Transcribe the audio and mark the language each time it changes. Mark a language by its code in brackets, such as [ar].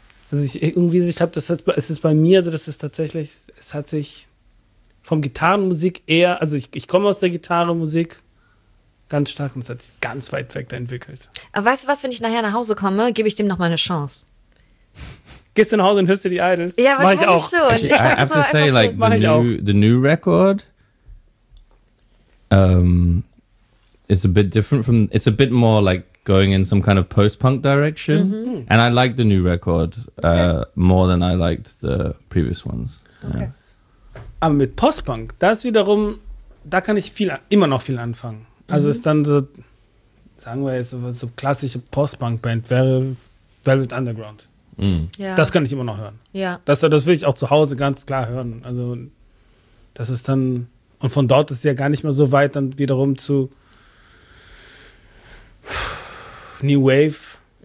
[de] Also ich glaube, es ist bei mir, also das ist tatsächlich, es hat sich vom Gitarrenmusik eher, also ich komme aus der Gitarrenmusik ganz stark und es hat sich ganz weit weg da entwickelt. Aber weißt du was, wenn ich nachher nach Hause komme, gebe ich dem nochmal eine Chance. Gehst du nach Hause und hörst du die Idols? Ja, wahrscheinlich schon. [en] I have to say, the new record. It's a bit different from, it's a bit more like going in some kind of post-punk direction. Mm-hmm. And I like the new record more than I liked the previous ones. Okay. [de] Aber mit post-punk, das wiederum, da kann ich immer noch viel anfangen. Also ist dann so, sagen wir jetzt, so klassische post-punk-Band wäre Velvet Underground. Mm. Ja. Das kann ich immer noch hören. Ja. Das will ich auch zu Hause ganz klar hören. Also das ist dann, und von dort ist es ja gar nicht mehr so weit dann wiederum zu New Wave.